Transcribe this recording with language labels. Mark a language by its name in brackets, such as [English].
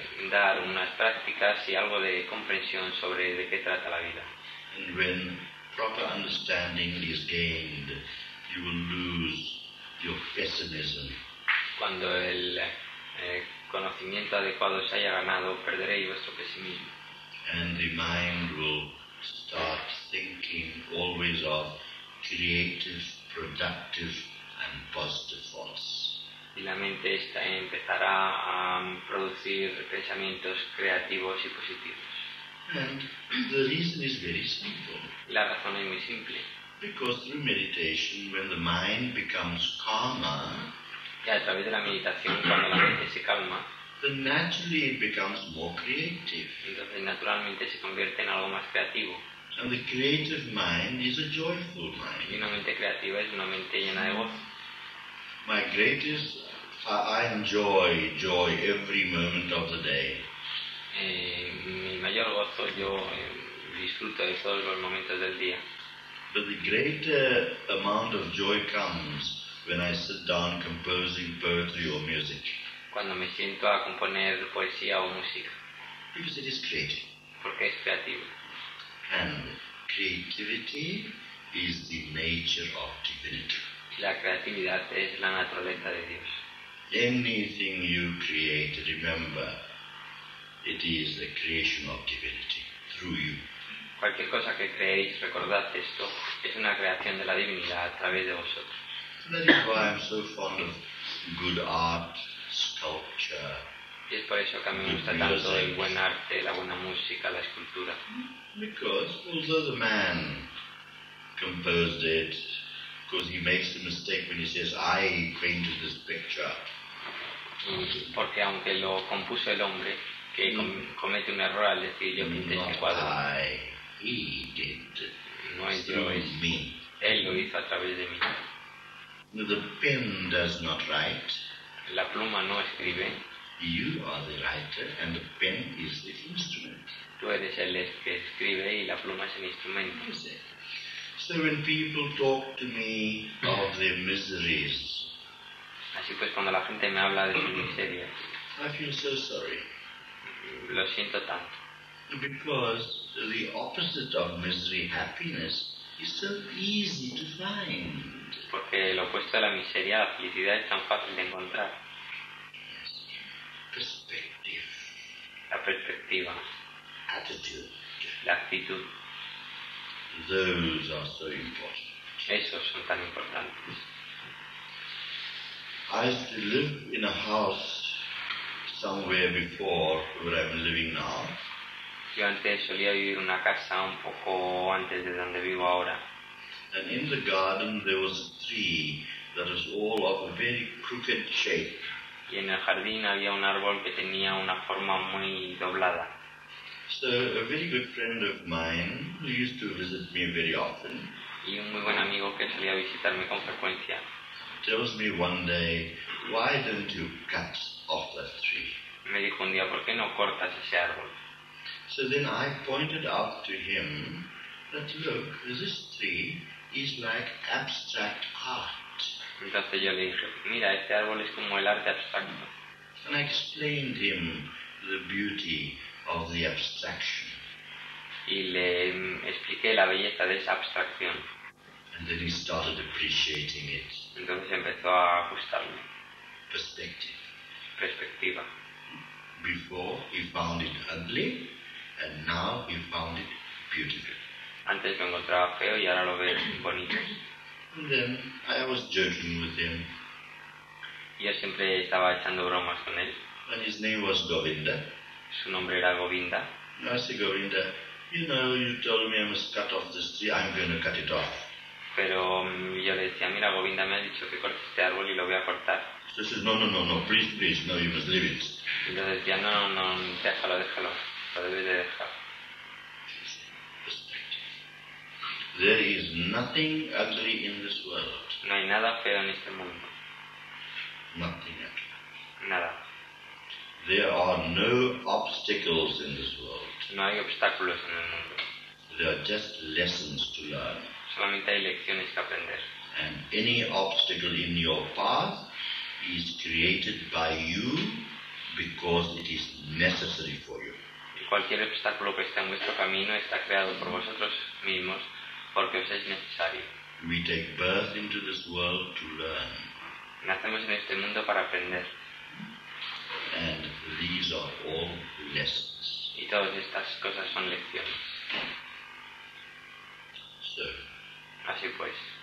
[Spanish] Dar unas prácticas y algo de comprensión sobre de qué trata la vida. [English] And when proper understanding is gained, you will lose your pessimism. [Spanish] Cuando el conocimiento adecuado se haya ganado, perderéis vuestro pesimismo. [English] And the mind will start thinking always of creative, productive and positive thoughts. [Spanish] Y la mente esta empezará a producir pensamientos creativos y positivos. [English] And the reason is very simple. [Spanish] La razón es muy simple. [English] Because through meditation, when the mind becomes calmer, [Spanish] Y a través de la meditación, cuando la mente se calma, [English] then naturally it becomes more creative. [Spanish] Entonces naturalmente se convierte en algo más creativo. [English] And the creative mind is a joyful mind. [Spanish] Y una mente creativa es una mente llena de gozo. [English] My greatest, I enjoy joy every moment of the day. [Spanish] Mi mayor gozo, yo disfruto de todos los momentos del día. [English] But the greater amount of joy comes when I sit down composing poetry or music. [Spanish] Cuando me siento a componer poesía o música. [English] Because it is creative. [Spanish] Porque es creativo. [English] And creativity is the nature of divinity. [Spanish] La creatividad es la naturaleza de Dios. [English] Anything you create, remember, it is the creation of divinity through you. [Spanish] Cualquier cosa que creéis, recordad esto, es una creación de la divinidad a través de vosotros. [English] That is why I'm so fond of good art, sculpture. [Spanish] Y es por eso que a mí me gusta tanto el buen arte, la buena música, la escultura. [English] Because although the man composed it, because he makes the mistake when he says, I painted this picture. [Spanish] Porque aunque lo compuso el hombre, que comete un error al decir yo pinté este cuadro. [English] I, he did. [Spanish] No es yo, es [English] me. [Spanish] Él lo hizo a través de mí. [English] The pen does not write. [Spanish] La pluma no escribe. [English] You are the writer and the pen is the instrument. [Spanish] Tú eres el que escribe y la pluma es el instrumento. [English] So when people talk to me of their miseries, [Spanish] así pues, cuando la gente me habla de sus miserias, [English] I feel so sorry. [Spanish] Lo siento tanto. [English] Because the opposite of misery, happiness, is so easy to find. [Spanish] Porque lo opuesto a la miseria, la felicidad, es tan fácil de encontrar. [English] Yes. Perspective. [Spanish] La perspectiva. [English] Attitude. [Spanish] La actitud. [English] Those are so important. [Spanish] Esos son tan importantes. [English] I used to live in a house somewhere before where I'm living now. [Spanish] Yo antes solía vivir en una casa un poco antes de donde vivo ahora. [English] And in the garden there was a tree that was all of a very crooked shape. [Spanish] Y en el jardín había un árbol que tenía una forma muy doblada. [English] So a very good friend of mine who used to visit me very often. [Spanish] Y un muy buen amigo que solía visitarme con frecuencia. [English] Tells me one day, why don't you cut off that tree? [Spanish] Me dijo un día, ¿por qué no cortas ese árbol? [English] So then I pointed out to him that look, this tree is like abstract art. [Spanish] Entonces yo le dije, mira, este árbol es como el arte abstracto. [English] And I explained him the beauty of the abstraction. [Spanish] Y le expliqué la belleza de esa abstracción. [English] And then he started appreciating it. [Spanish] Entonces empezó a gustarlo. [English] Perspective. [Spanish] Perspectiva. [English] Before he found it ugly, and now he found it beautiful. [Spanish] Antes lo encontraba feo y ahora lo ve bonito. [English] And then I was joking with him. [Spanish] Yo siempre estaba echando bromas con él. [English] And his name was Govinda. [Spanish] Su nombre era Govinda. [English] I said, Govinda, you know, you told me I must cut off this tree, I'm going to cut it off. [Spanish] Pero yo le decía, mira, Govinda me ha dicho que corte este árbol y lo voy a cortar. [English] He says, no, please, no, you must leave it. [Spanish] Yo decía, no, déjalo, lo debes de dejar. [English] There is nothing ugly in this world. [Spanish] No hay nada feo en este mundo. [English] Nothing ugly. [Spanish] Nada. [English] There are no obstacles in this world. [Spanish] No hay obstáculos en el mundo. [English] There are just lessons to learn. [Spanish] Solamente hay lecciones que aprender. [English] And any obstacle in your path is created by you because it is necessary for you. [Spanish] Y cualquier obstáculo que está en vuestro camino está creado por vosotros mismos porque os es necesario. [English] We take birth into this world to learn. [Spanish] Nacemos en este mundo para aprender. [English] And these are all lessons. [Spanish] Y todas estas cosas son lecciones. [English] So, [Spanish] así pues.